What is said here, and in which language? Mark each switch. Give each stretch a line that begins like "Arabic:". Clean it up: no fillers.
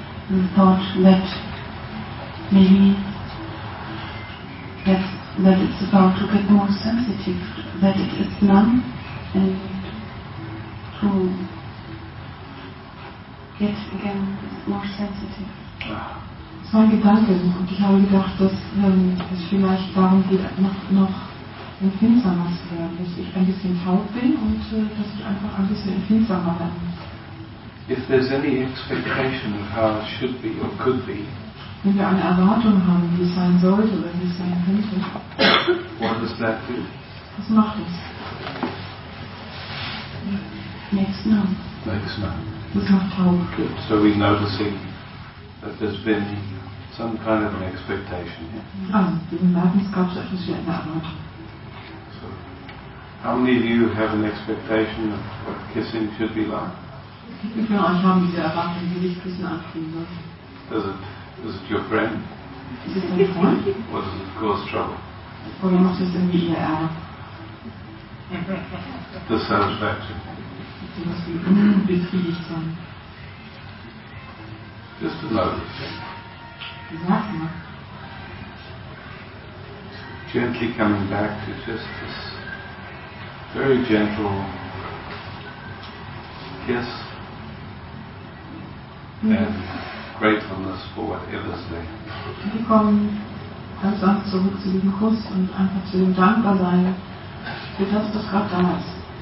English: The thought that maybe that it's about to get more sensitive, that it's numb, and to get again more sensitive.
German: Das war ein Gedanke und ich habe gedacht, dass es vielleicht darum geht, noch empfindsamer zu werden, dass ich ein bisschen taub bin und dass ich einfach ein bisschen empfindsamer werden muss.
English: If there's any expectation of how it should be or could be,
German: wenn wir eine Erwartung haben, wie es sein sollte oder wie es sein könnte,
English: what does that do?
German: Was macht es?
English: Makes numb. Makes numb.
German: Das macht taub.
English: Good. So we're noticing that there's been some kind of an expectation here.
German: Ah, wir merken, es gab so etwas wie eine Erwartung.
English: So, how many of you have an expectation of what kissing should be like?
German: Wie viele von euch haben diese Erwartung, wie sich Küssen anfühlen sollte?
English: Is it your friend?
German: Ist es dein Freund?
English: Or does it cause trouble?
German: Oder macht es irgendwie eher Ärger?
English: Dissatisfaction.
German: Du musst unbefriedigt sein.
English: Just to notice. Gently coming back to just this very gentle kiss and gratefulness for whatever's there.
German: Wir kommen ganz sanft zurück zu diesem Kuss und einfach zu dem Dankbarsein für das, was gerade da ist.